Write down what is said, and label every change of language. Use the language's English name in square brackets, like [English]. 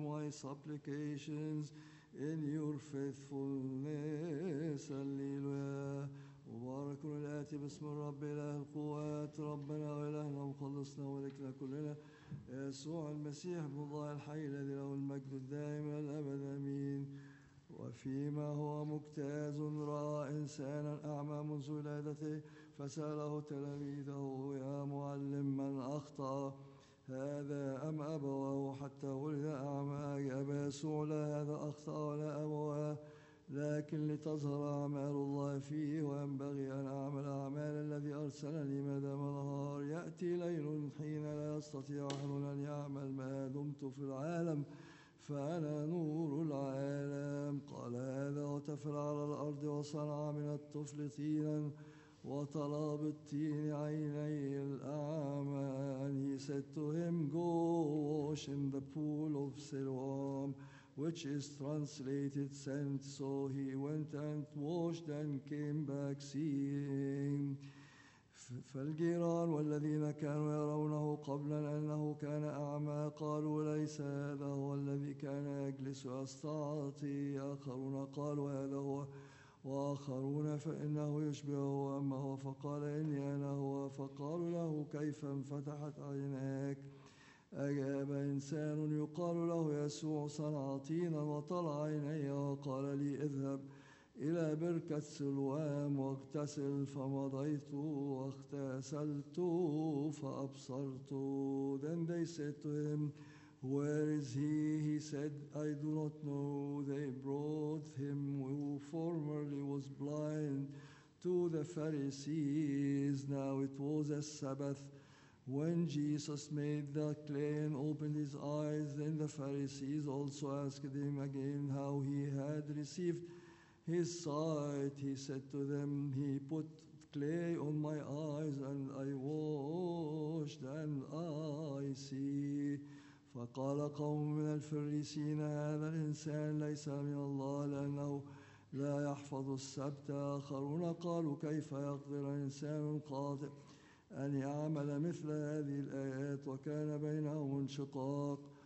[English] Supplications in your faithfulness. Alleluia. [Arabic] ناتي باسم الرب اله القوات ربنا والهنا وخلصنا ولكنا كلنا يسوع المسيح ابن الله الحي الذي له المجد الدائم الى الابد امين. وفيما هو مجتاز راى انسانا اعمى منذ ولادته فساله تلاميذه يا معلم من اخطا هذا ام ابواه حتى ولد اعمى؟ اجاب يسوع لا هذا اخطا ولا ابواه لكن لتظهر اعمال الله فيه وينبغي ان اعمل اعمال الذي ارسلني ما دام نهار. ياتي ليل حين لا يستطيع احد ان يعمل ما دمت في العالم فانا نور العالم. قال هذا وتفل على الارض وصنع من الطفل طينا وطلى بالطين عيني الاعمى. [English] And he said to him, go wash in the pool of Siloam, which is translated sent. So he went and washed and came back seeing. [Arabic] فالجيران والذين كانوا يرونه قبلا أنه كان أعمى قالوا ليس هذا هو الذي كان يجلس ويستعطي. آخرون قالوا هذا هو وآخرون فإنه يشبهه أما هو فقال إني أنا هو. فقالوا له كيف انفتحت عيناك؟ أجاب إنسان يقال له يسوع صنع طينا وطلع عيني وقال لي اذهب إلى بركة سلوام واغتسل. فمضيت واغتسلت فأبصرت. [English] Then they said to him, where is he? He said, I do not know. They brought him who formerly was blind to the Pharisees. Now it was a Sabbath. When Jesus made the clay and opened his eyes, then the Pharisees also asked him again how he had received his sight. He said to them, he put clay on my eyes and I washed and I see. [Arabic] فقال قوم من الفريسين هذا الإنسان ليس من الله لأنه لا يحفظ السبت. آخرون قالوا كيف يقدر إنسان قاطع أن يعمل مثل هذه الآيات وكان بينهم انشقاق.